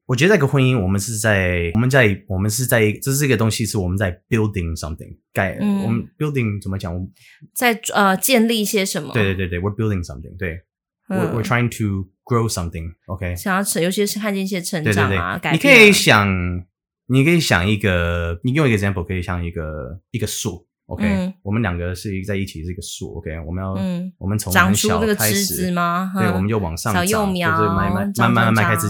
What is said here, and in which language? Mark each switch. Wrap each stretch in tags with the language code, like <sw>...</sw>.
<zh>我觉得这个婚姻我们是在这是一个东西，是我们在 building something，改、嗯、我们 building 怎么讲，我在建立一些什么，对对对对， we're building something，对、嗯、</zh> <en>we're trying to grow something， OK，</en> <zh>想要成，尤其是看见一些成长啊，对对对，改变啊，你可以想一个，你用一个 example 可以像一个树 OK、嗯、我们两个是在一起是一个树 OK， 我们要、嗯、我们从很小开始长出那个枝子吗、嗯、对，我们就往上长，小幼苗，就是慢慢开始</zh>